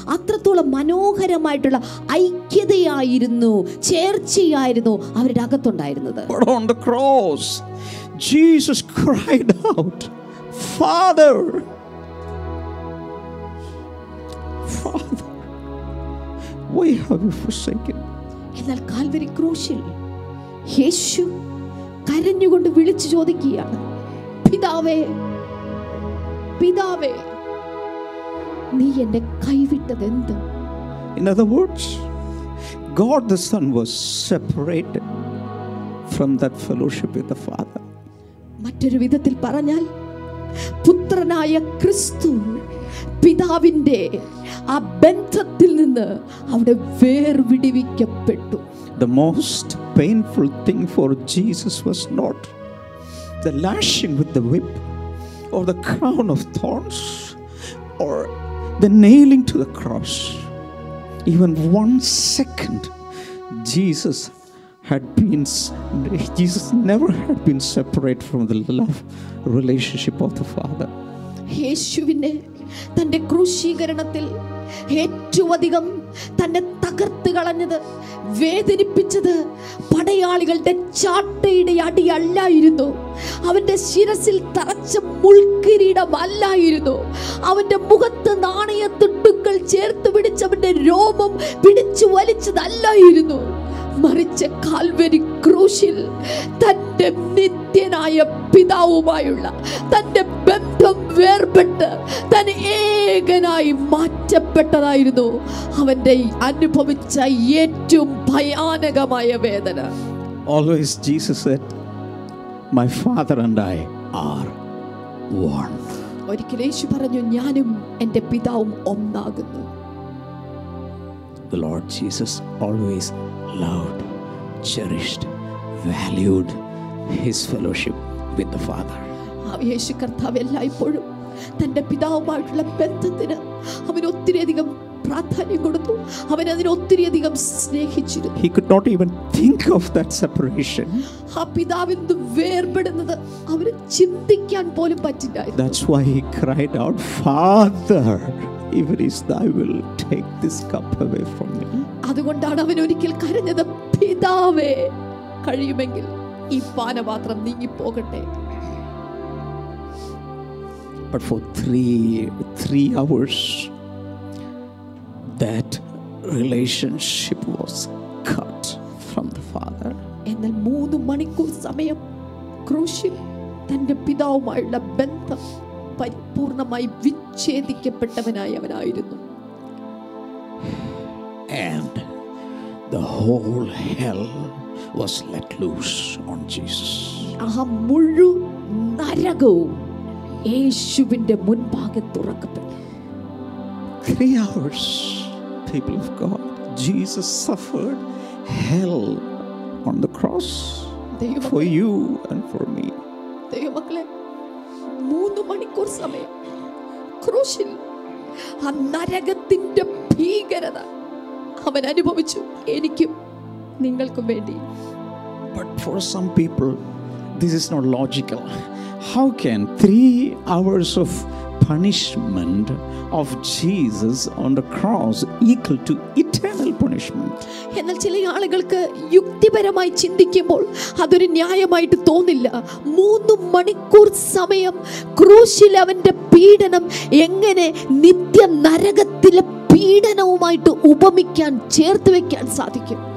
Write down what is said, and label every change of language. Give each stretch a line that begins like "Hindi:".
Malayalam: അത്രത്തോളം മനോഹരമായിട്ടുള്ള ഐക്യതയായിരുന്നു, ചേർച്ചയായിരുന്നു അവരുടെ അകത്തുണ്ടായിരുന്നത്.
English: But on the cross, Jesus cried out, Father, Father, why have you forsaken?
Malayalam: എന്നാൽ Calvary ക്രൂശിൽ യേശു കരഞ്ഞുകൊണ്ട് വിളിച്ചു ചോദിക്കുകയാണ്, പിതാവേ, പിതാവേ, നീ എന്നെ കൈവിട്ടത് എന്ത്?
English: In other words, God the Son was separated from that fellowship with the Father.
Malayalam: മറ്റൊരു വിധത്തിൽ പറഞ്ഞാൽ പുത്രനായ ക്രിസ്തു പിതാവിന്റെ ആ ബന്ധത്തിൽ നിന്ന് അവിടെ വേർപിടിവിക്കപ്പെട്ടു.
English: The most painful thing for Jesus was not the lashing with the whip, or the crown of thorns, or the nailing to the cross. Even one second, Jesus never had been separated from the love relationship of the Father.
Malayalam: യേശുവിനെ തന്റെ ക്രൂശീകരണത്തിൽ ഏറ്റവും അധികം തന്നെ തകർത്ത് കളഞ്ഞത്, വേദനിപ്പിച്ചത് പടയാളികളുടെ ചാട്ടയുടെ അടിയല്ലായിരുന്നു, അവന്റെ ശിരസിൽ തറച്ച മുൾക്കിരീടമല്ലായിരുന്നു, അവന്റെ മുഖത്ത് നാണയ തുട്ടുകൾ ചേർത്ത് പിടിച്ചവന്റെ രോമം പിടിച്ചു വലിച്ചതല്ലായിരുന്നു, മറിച്ച് കാൽവരി ക്രൂശിൽ തന്റെ നിത്യനായ പിതാവുമായുള്ള തന്റെ ബന്ധം വേർപെട്ട് തന്നെ ഏകനായി മാറ്റപ്പെട്ടതായിരുന്നു അവന്റെ അനുഭവിച്ച ഏറ്റവും ഭയാനകമായ വേദന.
English: Always Jesus said, my father and I are one.
Malayalam: ഒരിക്കൽ യേശു പറഞ്ഞു, ഞാനും എന്റെ പിതാവും ഒന്നാകുന്നു.
English: The Lord Jesus always loved, cherished, valued his fellowship with the Father.
Malayalam: യേശു കർത്താവ് എല്ലായ്പ്പോഴും തന്റെ പിതാവുമായിട്ടുള്ള ബന്ധത്തിന് അവൻ ഒത്തിരിയധികം പ്രാധാന്യം കൊടുത്തു, അവൻ അതിനെ ഒത്തിരിയധികം സ്നേഹിച്ചിരുന്നു.
English: He could not even think of that separation.
Malayalam: ആ പിതാവിൽ നിന്ന് വേർപെടുന്നത് അവന് ചിന്തിക്കാൻ പോലും പറ്റില്ലായിരുന്നു.
English: That's why he cried out, Father. if it is thy will, take this cup away from me.
Malayalam: അതുകൊണ്ടാണ് അവൻ ഒരിക്കൽ കരഞ്ഞത്, പിതാവേ കഴിയുമെങ്കിൽ ഈ പാനപാത്രം നീങ്ങിപ്പോകട്ടെ.
English: But for three hours that relationship was cut from the father.
Malayalam: എന്നാൽ 3 മണിക്കൂർ സമയം ക്രൂശിൽ തന്റെ പിതാവുമായുള്ള ബന്ധം പരിപൂർണമായി വിച്ഛേദിക്കപ്പെട്ടവനായി അവനായിരുന്നു.
English: And the whole hell was let loose on Jesus.
Malayalam: ആ മുഴു നരകവും യേശുവിന്റെ മുൻപാകെ തുറക്കപ്പെട്ടു.
English: 3 hours people of God, Jesus suffered hell on the cross for you and for me.
Malayalam: ദൈവമക്കളെ, 3 മണിക്കൂർ സമയം ക്രൂശിൽ ആ നരകത്തിന്റെ ഭീകരത അവൻ അനുഭവിച്ചു, എനിക്കും നിങ്ങൾക്കും വേണ്ടി.
English: But for some people this is not logical. How can 3 hours of punishment of Jesus on the cross equal to eternal punishment?
Malayalam: എന്നാൽ ചില ആളുകൾക്ക് യുക്തിപരമായി ചിന്തിക്കുമ്പോൾ അതൊരു ന്യായമായിട്ട് തോന്നില്ല. 3 മണിക്കൂർ സമയം ക്രൂശിൽ അവന്റെ പീഡനം എങ്ങനെ നിത്യ നരകത്തിലെ പീഡനവുമായിട്ട് ഉപമിക്കാൻ ചേർത്ത് വെക്കാൻ സാധിക്കും?